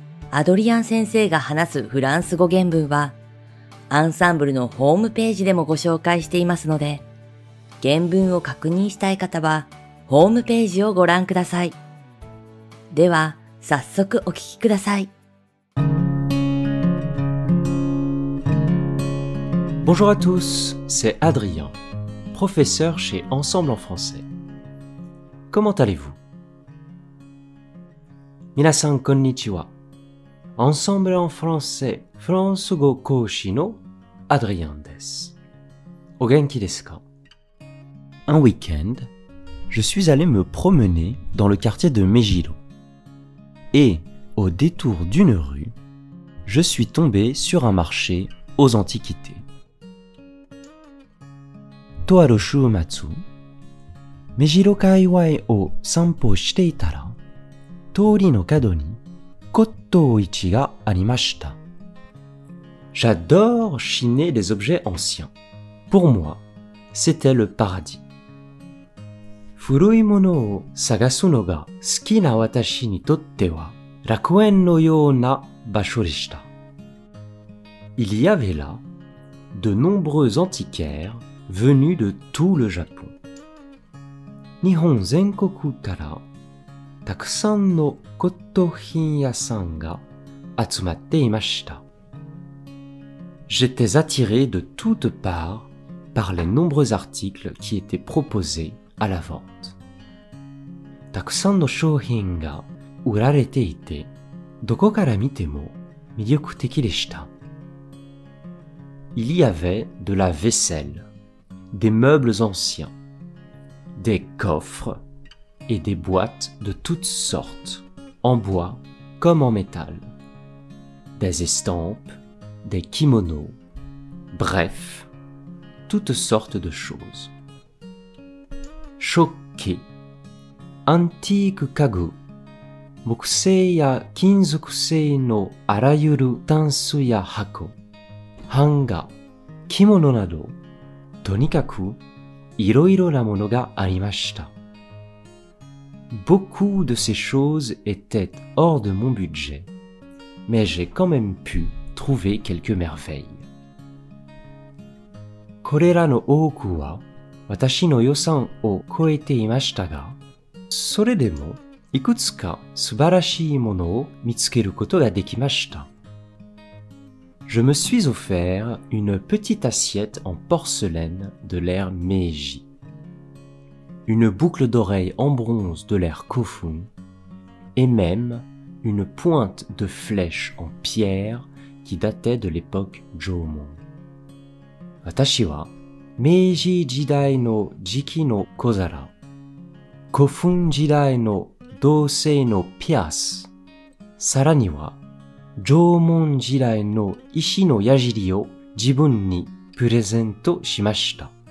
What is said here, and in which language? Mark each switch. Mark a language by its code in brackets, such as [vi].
[ja] アドリアン先生が話すフランス語原文はアンサンブルのホームページでもご紹介していますので、原文を確認したい方はホームページをご覧ください。では、早速お聞きください。 [fr] Bonjour à tous, c'est Adrien, professeur chez Ensemble en français. Comment allez-vous? [ja] 皆さん、こんにちは。 Ensemble en français, フランス語講師の Adrien です。お元気ですか? [fr] Un week-end,Je suis allé me promener dans le quartier de Mejiro. Et, au détour d'une rue, je suis tombé sur un marché aux antiquités. [ja] とある週末、目白界隈を散歩していたら、通りの角に骨董市がありました。 [fr] J'adore chiner les objets anciens. Pour moi, c'était le paradis. [ja] 古いものを探すのが好きな私にとっては楽園のような場所でした。 [fr] Il y avait là de nombreux antiquaires venus de tout le Japon. [ja] 日本全国からたくさんの骨董品屋さんが集まっていました。 [fr] J'étais attiré de toutes parts par les nombreux articles qui étaient proposés. À la vente. [ja] たくさんの商品が売られていて、どこから見ても魅力的でした。 [fr] Il y avait de la vaisselle, des meubles anciens, des coffres et des boîtes de toutes sortes, en bois comme en métal, des estampes, des kimonos, bref, toutes sortes de choses. Choqué. [ja] Antique 家具、木製や金属製のあらゆるタンスや箱、版画、着物など、とにかくいろいろなものがありました。 [fr] Beaucoup de ces choses étaient hors de mon budget, mais j'ai quand même pu trouver quelques merveilles. [ja] これらの多くは、私の予算を超えていましたが、それでもいくつか素晴らしいものを見つけることができました。 [fr] Je me suis offert une petite assiette en porcelaine de l'ère Meiji, une boucle d'oreille en bronze de l'ère Kofun, et même une pointe de flèche en pierre qui datait de l'époque Jōmon. [ja] 私は明治時代の磁器の小皿、古墳時代の銅製のピアス、さらには縄文時代の石の矢尻を自分にプレゼントしました。